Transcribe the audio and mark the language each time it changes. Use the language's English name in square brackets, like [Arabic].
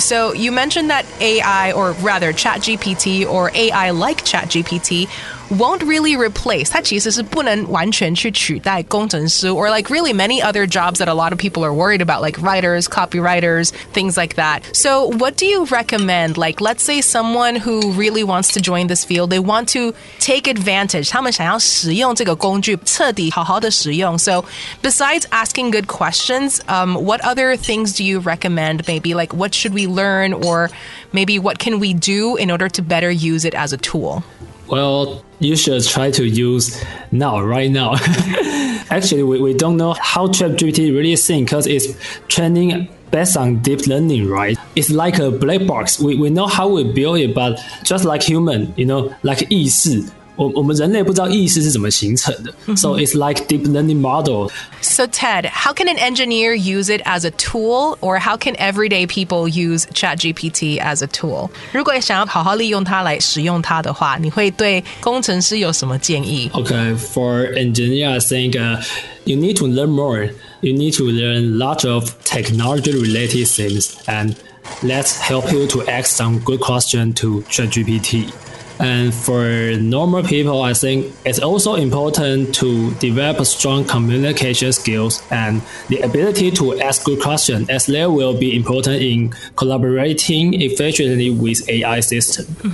[English] So you mentioned that AI, or rather ChatGPT, or AI like ChatGPT, won't really replace. 它其实是不能完全去取代工程师 or like really many other jobs that a lot of people are worried about, like writers, copywriters, things like that. So what do you recommend? Like, let's say someone who really wants to join this field, they want to take advantage. [Chinese] 他们想要使用这个工具彻底好好的使用。 [English] So besides asking good questions, what other things do you recommend? Maybe like what should we learn, or maybe what can we do in order to better use it as a tool? Well, you should try to use now, right now. Actually, we don't know how ChatGPT really thinks because it's training based on deep learning, right? It's like a black box. We know how we build it, but just like human, you know, like 意识我们人类不知道意识是怎么形成的。 Mm-hmm. So it's like deep learning model. So Ted, how can an engineer use it as a tool, or how can everyday people use ChatGPT as a tool? [Chinese] 如果想要好好利用它来使用它的话，你会对工程师有什么建议？ [English] Okay, for engineer, I think you need to learn more. You need to learn lots of technology-related things, and let's help you to ask some good questions to ChatGPT. And for normal people, I think it's also important to develop strong communication skills and the ability to ask good questions, as they will be important in collaborating efficiently with AI system.